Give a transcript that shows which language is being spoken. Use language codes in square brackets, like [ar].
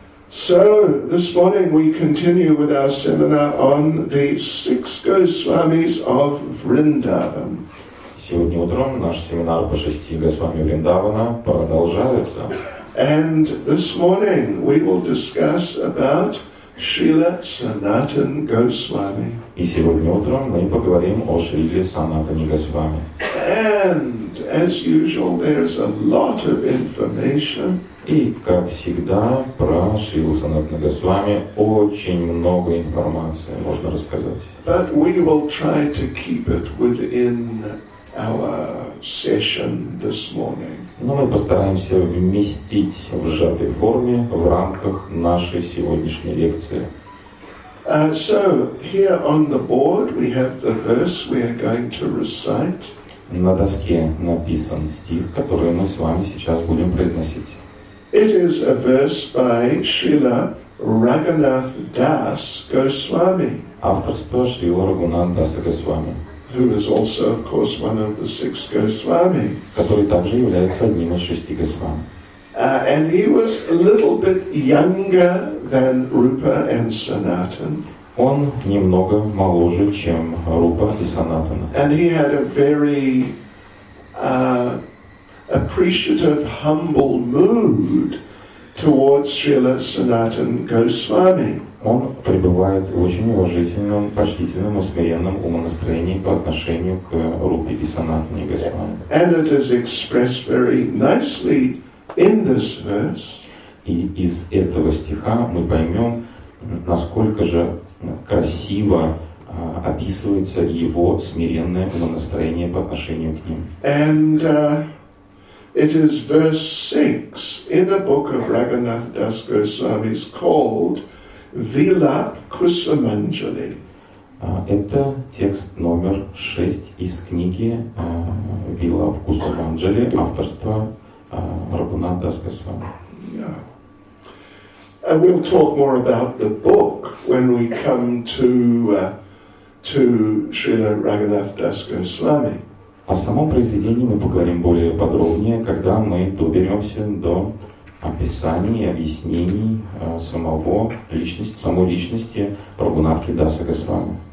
[en] So, this morning we continue with our seminar on the six Goswamis of Vrindavan. [ru] Сегодня утром наш семинар по шести Госвами Вриндавана продолжается. [en] And this morning we will discuss about Srila Sanatan Goswami. [ru] И сегодня утром мы поговорим о Шриле Санатане Госвами. [en] And as usual, there is a lot of information. [ru] И, как всегда, про Шрилу Санатану Госвами очень много информации можно рассказать. [en] But we will try to keep it within our session this morning. [ru] Но мы постараемся вместить в сжатой форме в рамках нашей сегодняшней лекции. [en] So, here on the board we have the verse we are going to recite. [ru] На доске написан стих, который мы с вами сейчас будем произносить. [en] It is a verse by Srila Raghunath Das Goswami. [ru] Авторство Srila Raghunath Das Goswami. [en] Who is also, of course, one of the six Goswami. [ru] Который также является одним из шести Госвами. [en] And he was a little bit younger than Rupa and Sanatan. [ru] Он немного моложе, чем Рупа и Санатана. [en] And he had a very appreciative, humble mood towards Srila Sanatan Goswami. [ru] Он пребывает в очень уважительном, почтительном, смиренном умонастроении по отношению к Рупе и Санатане Госвами. [en] And it is expressed very nicely in this verse. [ru] И из этого стиха мы поймем, насколько же красиво описывается его смиренное умонастроение по отношению к ним. [en] And it is verse 6 in a book of Raghunath Das Goswami's called Vilap Kusumanjali. [ru] Это текст номер 6 из книги Vilap Kusumanjali, авторства Raghunath Das Goswami. [en] Yeah. We'll talk more about the book when we come to Srila Raghunath Das Goswami. [ru] О самом произведении мы поговорим более подробнее, когда мы доберемся до описаний и объяснений самой личности Рагунатхи Даса Госвами.